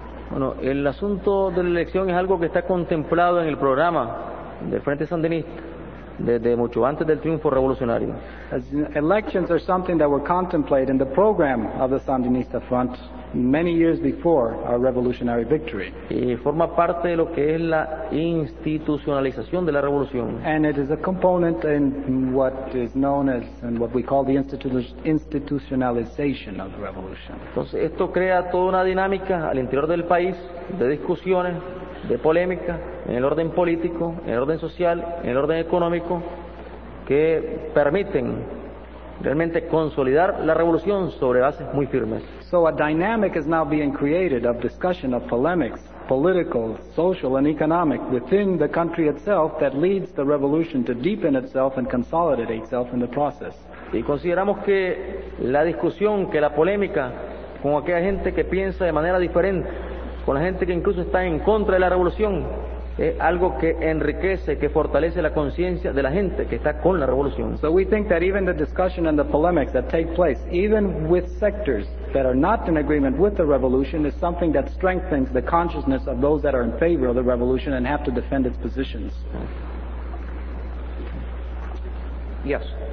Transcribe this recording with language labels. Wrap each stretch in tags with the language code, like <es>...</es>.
<es>Bueno, el asunto de la elección es algo que está contemplado en el programa del Frente Sandinista desde mucho antes del triunfo revolucionario.</es> <en>Elections are something that were contemplated in the program of the Sandinista Front many years before our revolutionary victory.</en> <es>Y forma parte de lo que es la institucionalización de la revolución.</es> <en>And it is a component in what is known as and what we call the institutionalization of the revolution.</en> <es>Entonces esto crea toda una dinámica al interior del país de discusiones, de polémica en el orden político, en el orden social, en el orden económico que permiten realmente consolidar la revolución sobre bases muy firmes.</es> <en>So a dynamic is now being created of discussion of polemics, political, social, and economic within the country itself that leads the revolution to deepen itself and consolidate itself in the process.</en> <es>Y consideramos que la discusión, que la polémica con aquella gente que piensa de manera diferente, con la gente que incluso está en contra de la revolución, es algo que enriquece, que fortalece la conciencia de la gente que está con la revolución.</es> <en>So we think that even the discussion and the polemics that take place, even with sectors that are not in agreement with the revolution, is something that strengthens the consciousness of those that are in favor of the revolution and have to defend its positions. Yes.</en>